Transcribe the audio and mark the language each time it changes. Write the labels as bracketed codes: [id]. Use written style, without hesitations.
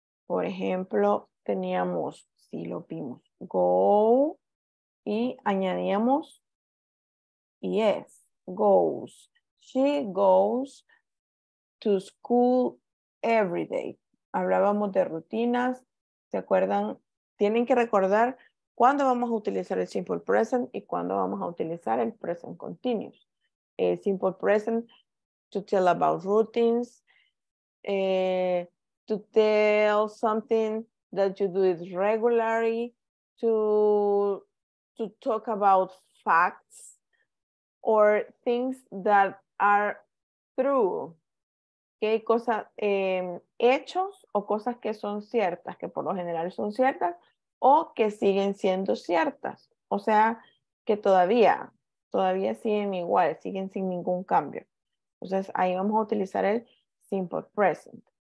[es] Por ejemplo, teníamos, si lo vimos, go y añadíamos yes, goes. [en] She goes to school every day. [es] Hablábamos de rutinas. ¿Se acuerdan? Tienen que recordar cuándo vamos a utilizar el simple present y cuándo vamos a utilizar el present continuous. [en] El simple present to tell about routines, to tell something that you do it regularly, to talk about facts or things that are true. [es] Okay, cosas, hechos o cosas que son ciertas, que por lo general son ciertas o que siguen siendo ciertas. O sea, que todavía siguen igual, siguen sin ningún cambio. Entonces, ahí vamos a utilizar el simple present.